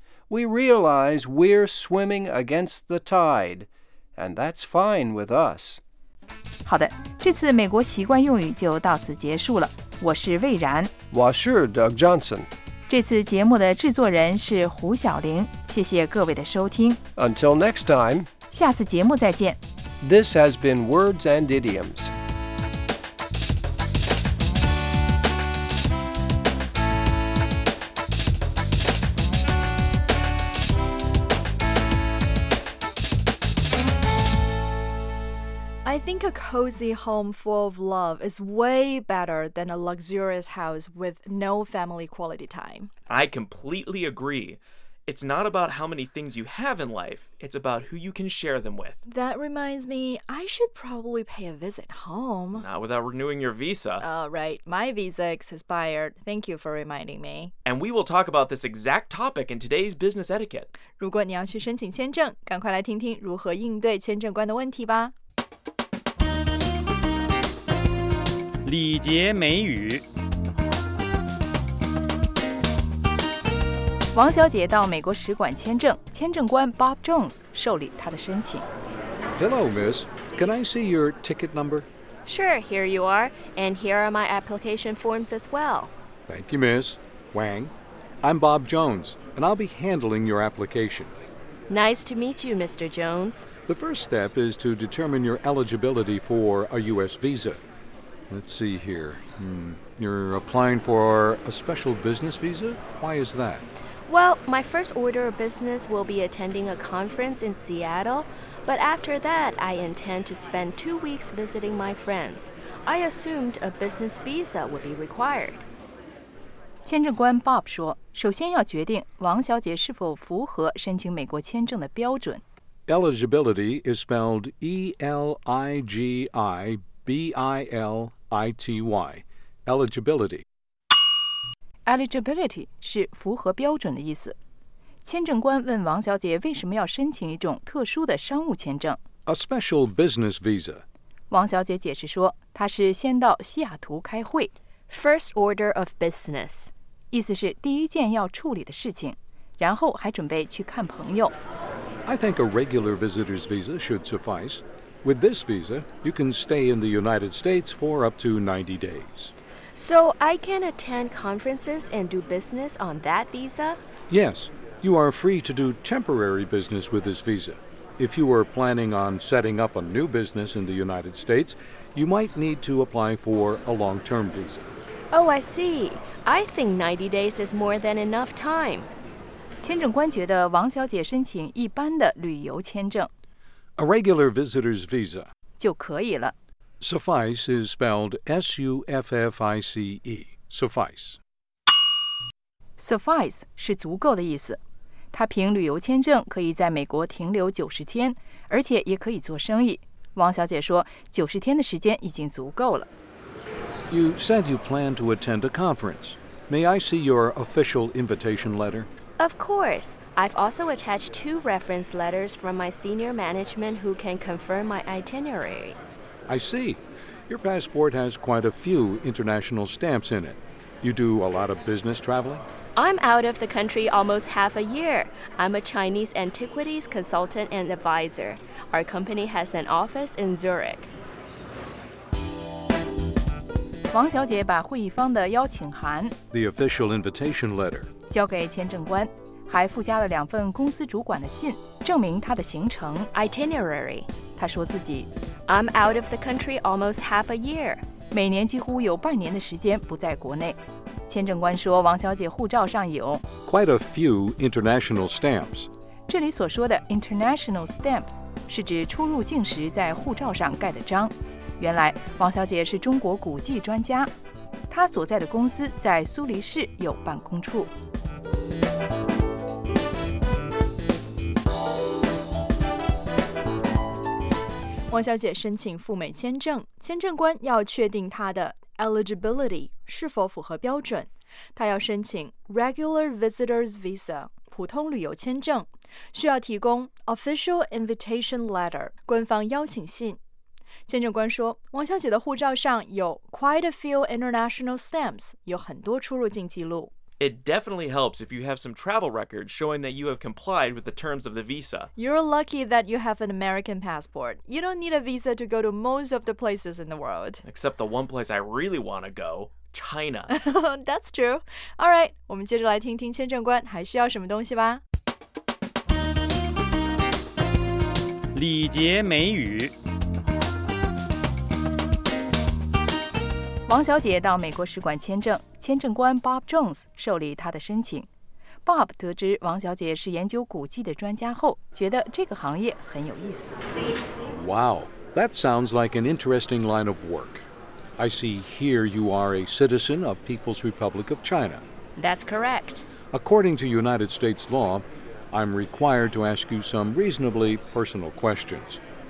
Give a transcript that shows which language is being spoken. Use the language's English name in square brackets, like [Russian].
[English] We realize we're swimming against the tide, and that's fine with us. [Chinese] 好的，这次美国习惯用语就到此结束了。我是魏然，我是 Doug Johnson。这次节目的制作人是胡晓玲。谢谢各位的收听。 [English] Until next time， [Chinese] 下次节目再见。 [English] This has been Words and Idioms。 I think a cozy home full of love is way better than a luxurious house with no family quality time. I completely agree. It's not about how many things you have in life, it's about who you can share them with. That reminds me, I should probably pay a visit home. Not without renewing your visa. Right. My visa expired. Thank you for reminding me. And we will talk about this exact topic in today's business etiquette. [Chinese] 如果你要去申请签证，赶快来听听如何应对签证官的问题吧。礼节美语。王小姐到美国使馆签证，签证官 Bob Jones 受理她的申请。 [English] Hello, miss. Can I see your ticket number? Sure, here you are. And here are my application forms as well. Thank you, miss. Wang, I'm Bob Jones, and I'll be handling your application. Nice to meet you, Mr. Jones. The first step is to determine your eligibility for a U.S. visa. Let's see here. You're applying for a special business visa? Why is that? Well, my first order of business will be attending a conference in Seattle. But after that, I intend to spend 2 weeks visiting my friends. I assumed a business visa would be required. [Chinese] 签证官 Bob 说，首先要决定王小姐是否符合申请美国签证的标准。 [English] Eligibility is spelled E-L-I-G-I-B-I-L-I-T-Y. Eligibility. [Chinese] Eligibility 是符合标准的意思。签证官问王小姐为什么要申请一种特殊的商务签证。 [English] A special business visa. [Chinese] 王小姐解释说，她是先到西雅图开会。 [English] First order of business. [Chinese] 意思是第一件要处理的事情，然后还准备去看朋友。 [English] I think a regular visitor's visa should suffice. With this visa, you can stay in the United States for up to 90 days. So I can attend conferences and do business on that visa? Yes, you are free to do temporary business with this visa. If you were planning on setting up a new business in the United States, you might need to apply for a long-term visa. Oh, I see. I think 90 days is more than enough time. [Chinese] 签证官觉得王小姐申请一般的旅游签证 [English] A regular visitor's visa [Chinese] 就可以了 [English] Suffice is spelled S-U-F-F-I-C-E Suffice [Chinese] Suffice 是足够的意思他凭旅游签证可以在美国停留90天而且也可以做生意王小姐说90天的时间已经足够了 [English] You said you plan to attend a conference May I see your official invitation letter? Of course. I've also attached two reference letters from my senior management who can confirm my itinerary. I see. Your passport has quite a few international stamps in it. You do a lot of business traveling? I'm out of the country almost half a year. I'm a Chinese antiquities consultant and advisor. Our company has an office in Zurich. [Chinese] 王小姐把会议方的邀请函 [English] The official invitation letter. [Chinese] 交给签证官，还附加了两份公司主管的信，证明他的行程 [English] itinerary。 [Chinese] 他说自己 [English] I'm out of the country almost half a year， [Chinese] 每年几乎有半年的时间不在国内。签证官说，王小姐护照上有 [English] quite a few international stamps。 [Chinese] 这里所说的 international stamps 是指出入境时在护照上盖的章。原来王小姐是中国古迹专家。他所在的公司在苏黎世有办公处。王小姐申请赴美签证，签证官要确定她的 eligibility 是否符合标准。她要申请 [English] regular visitor's visa [Chinese] 普通旅游签证，需要提供 [English] official invitation letter [Chinese] 官方邀请信。签证官说，王小姐的护照上有 [English] quite a few international stamps， [Chinese] 有很多出入境记录。 [English] It definitely helps if you have some travel records showing that you have complied with the terms of the visa. You're lucky that you have an American passport. You don't need a visa to go to most of the places in the world. Except the one place I really want to go, China. That's true. All right, [Chinese] 我们接着来听听签证官还需要什么东西吧。礼节美语。王小姐到美国使馆签证，签证官 Bob Jones 受理她的申请。 Bob 得知王小姐是研究古迹的专家后，觉得这个行业很有意思。 [English] Wow, that sounds like an interesting line of work. I see here you are a citizen of People's Republic of China. That's correct. According to United States law, I'm required to ask you some reasonably personal questions.